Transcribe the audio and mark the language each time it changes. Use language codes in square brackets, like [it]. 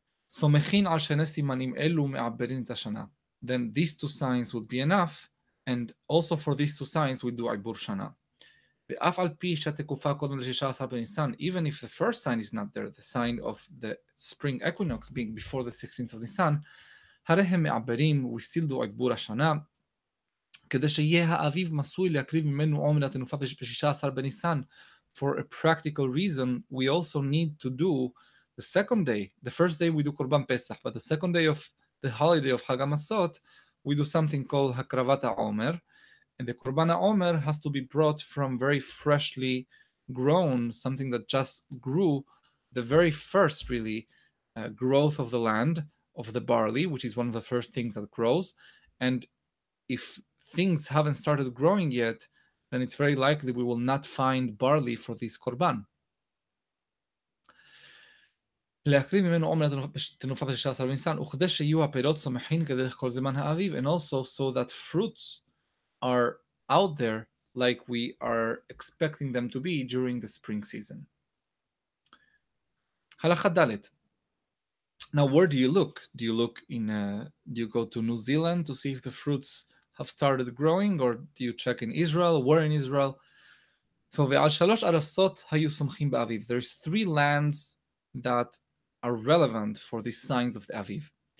[he] סומכין על שני סימנים אלו מעברין את השנה. [en] Then these two signs would be enough, and also for these two signs we do עיבור שנה. [he] ואף על פי שהתקופה קודם ל-16 בניסן, [en] even if the first sign is not there, the sign of the spring equinox being before the 16th of Nisan, [he] הרי הם מעברים, [en] we still do [he] עיבור השנה, כדי שיהיה האביב מסוי להקריב ממנו עומר התנופה ב-16 בניסן. [en] For a practical reason, we also need to do the second day, the first day we do קורבן פסח, but the second day of the holiday of חג המסות, we do something called הקרבת העומר, and the Korban HaOmer has to be brought from very freshly grown, something that just grew, the very first, really, growth of the land, of the barley, which is one of the first things that grows. And if things haven't started growing yet, then it's very likely we will not find barley for this Korban. [he] להקריב ממנו עומר תנופה ב-16 בניסן, וכדי שיהיו הפירות צומחים כדרך כל זמן האביב, [en] and also so that fruits are out there like we are expecting them to be during the spring season. Halacha Dalet. Now, where do you look? Do you look in, do you go to New Zealand to see if the fruits have started growing, or do you check in Israel? Where in Israel? So, [he] ve'al shalosh arasot hayu sumchim ba'aviv. [en] There's three lands that are relevant for these signs of the Aviv.